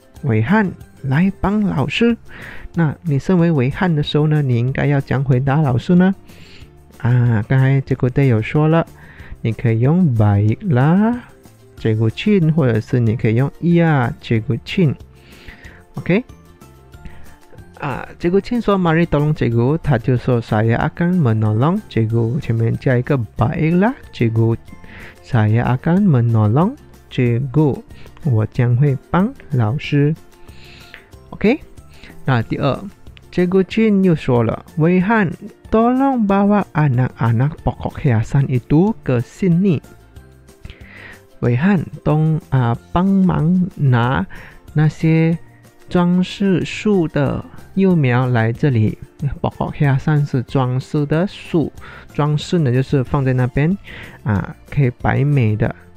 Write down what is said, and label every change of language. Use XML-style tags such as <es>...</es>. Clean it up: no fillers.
<zh>Wei Han, 来帮老师。那你身为Wei Han的时候呢，你应该要怎样回答老师呢？啊，刚才Cikgu Day有说了，你可以用</zh> <ms>Baiklah, Cikgu Chin,</ms> <zh>或者是你可以用</zh> <ms>Ya, Cikgu Chin. Okay? 啊，Cikgu Chin说mari tolong Cikgu,</ms> <zh>他就说</zh> <ms>saya akan menolong Cikgu,</ms> <zh>前面加一个</zh> <ms>Baiklah, Cikgu Chin. Saya akan menolong cikgu.</ms> <zh>我将会帮老师。OK? 那第二</zh> <ms>Cikgu Chin</ms> <zh>又说了</zh> <ms>Wei Han, tolong bawa anak-anak pokok hiasan itu ke sini.</ms> <zh>Wei Han, bang mang na 那些装饰树的幼苗来这里。</zh> <ms>Pokok hiasan</ms> <zh>是装饰的树，装饰呢就是放在那边啊，可以摆美的。</zh>